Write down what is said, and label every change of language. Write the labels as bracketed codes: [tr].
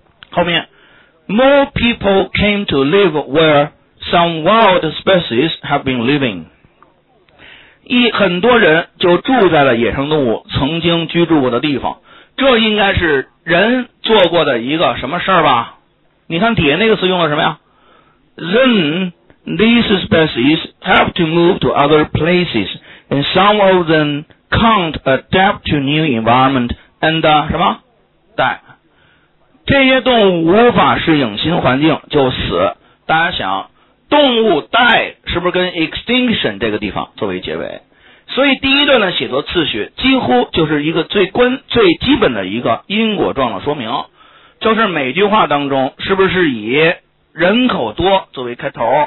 [zh] 后面 [en] More people came to live where some wild species have been living， [zh] 很多人就住在了野生动物曾经居住过的地方，这应该是人做过的一个什么事儿吧。你看底下那个词用了什么呀？ [en] thenThese species have to move to other places, and some of them can't adapt to new environment and [zh] 什么？对，这些动物无法适应新环境就死。大家想，动物 die 是不是跟 extinction 这个地方作为结尾？所以第一段的写作次序几乎就是一个最基本的一个因果状的说明，就是每句话当中是不是以人口多作为开头。